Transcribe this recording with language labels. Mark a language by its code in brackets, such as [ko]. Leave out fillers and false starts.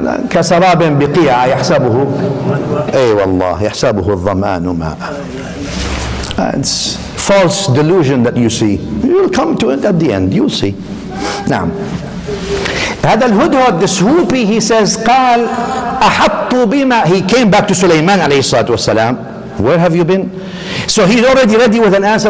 [ar] كَسَرَابٍ بِقِيَعَ يَحْسَبُهُ أي والله يَحْسَبُهُ الظَّمَانُ مَاءً. [en] It's false delusion that you see. You'll come to it at the end, you'll see. [ar] نعم. هذا الهدهد, [en] this whoopee, he says, [ar] قال أَحَطُّ بِمَا. [en] He came back to Sulaiman عليه الصلاة والسلام. Where have you been? So he's already ready with an answer.